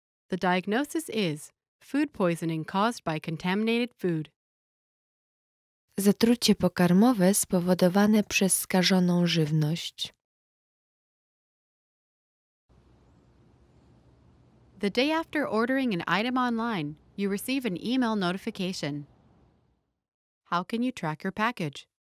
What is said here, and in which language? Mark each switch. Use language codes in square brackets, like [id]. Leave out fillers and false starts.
[en] The diagnosis is food poisoning caused by contaminated food. [pl] Zatrucie pokarmowe spowodowane przez skażoną żywność. [en] The day after ordering an item online, you receive an email notification. How can you track your package?